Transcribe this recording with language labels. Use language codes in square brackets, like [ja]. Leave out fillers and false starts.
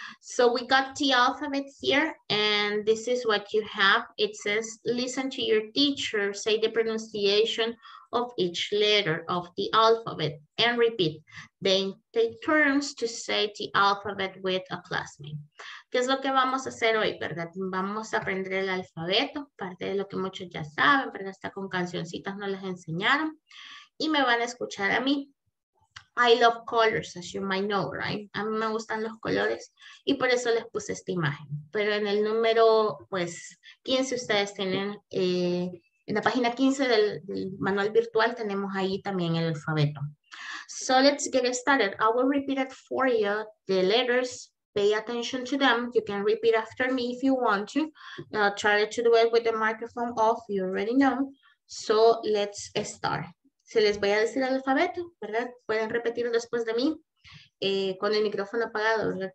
[en] So we got the alphabet here, and this is what you have. It says, listen to your teacher, say the pronunciation of each letter of the alphabet and repeat. Then take turns to say the alphabet with a classmate. [es] ¿Qué es lo que vamos a hacer hoy, verdad? Vamos a aprender el alfabeto, parte de lo que muchos ya saben, pero hasta con cancioncitas no las enseñaron. Y me van a escuchar a mí. [en] I love colors, as you might know, right? [es] A mí me gustan los colores y por eso les puse esta imagen. Pero en el número, pues, 15 ustedes tienen, en la página 15 del manual virtual tenemos ahí también el alfabeto. [en] So let's get started. I will repeat it for you, the letters. Pay attention to them. You can repeat after me if you want to. I'll try to do it with the microphone off, you already know. So let's start. [es] Se les voy a decir el alfabeto, ¿verdad? Pueden repetirlo después de mí, con el micrófono apagado, ¿verdad?